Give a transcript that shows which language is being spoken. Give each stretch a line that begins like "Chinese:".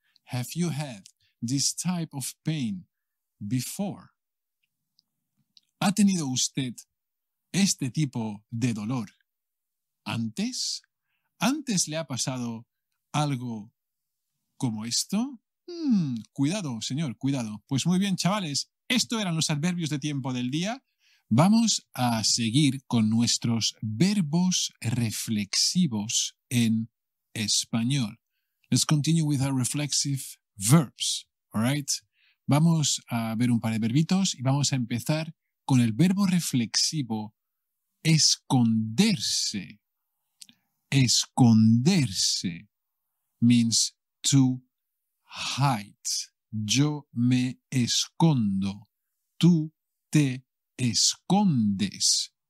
English: Have you had this type of pain before?
Spanish: ¿Ha tenido usted este tipo de dolor antes? ¿Antes le ha pasado algo como esto? Cuidado, señor, cuidado. Pues muy bien, chavales. Esto eran los adverbios de tiempo del día. Vamos a seguir con nuestros verbos reflexivos en español.
English: Let's continue with our reflexive verbs, all right?
Spanish: Vamos a ver un par de verbitos y vamos a empezar con el verbo reflexivo esconderse.
English: Esconderse means to hide.
Spanish: Yo me escondo. Tú te escondes.